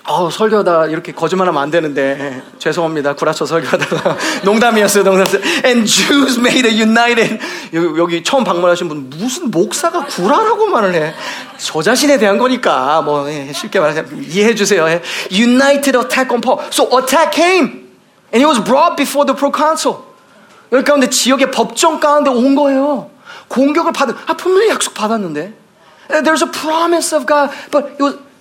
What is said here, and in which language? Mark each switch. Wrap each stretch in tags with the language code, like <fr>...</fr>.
<ko>설교하다 이렇게 거짓말하면 안 되는데 죄송합니다. 구라쳐 설교하다가 농담이었어요. 농담이었어요.</ko> <en>And Jews made a united</en> <ko>여기 처음 방문하신 분 무슨 목사가 구라라고 말을 해. 저 자신에 대한 거니까 뭐 쉽게 말하자면 이해해 주세요.</ko> <en>United attack on Paul. So attack came and he was brought before the proconsul.</en> <ko>여기 가운데 지역의 법정 가운데 온 거예요. 공격을 받은 분명히 약속 받았는데</ko> <en>There's a promise of God but it was</en>